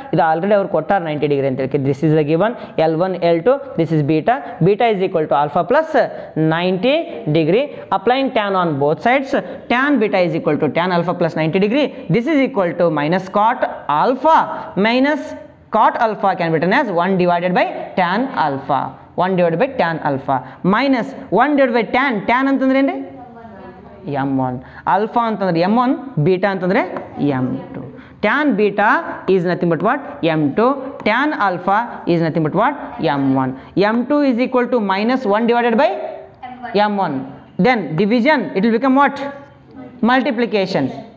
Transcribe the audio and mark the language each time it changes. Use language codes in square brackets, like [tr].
[kn] ಇದು ಆಲ್ರೆಡಿ ಅವ್ರು ಕೊಟ್ಟಾರೆ 90 ಡಿಗ್ರಿ ಅಂತ ಹೇಳಿ. [en] This is a given L1 L2, this is beta. Beta is equal to alpha plus 90 degree. Applying tan on both sides, tan beta is equal to tan alpha plus 90 degree. This is equal to minus cot alpha minus cot alpha can be written as 1/Tan-α. 1/Tan-α minus 1/Tan. [kn] Tan ಅಂತಂದ್ರೆ ಏನು ರೀ? M1. Alpha ಅಂತಂದ್ರೆ M1, beta ಅಂತಂದರೆ M2. [en] Tan beta is nothing but what? M2. Tan alpha is nothing but what? M1. M2 is equal to minus 1/M1. Then division, it will become what? Multiplication.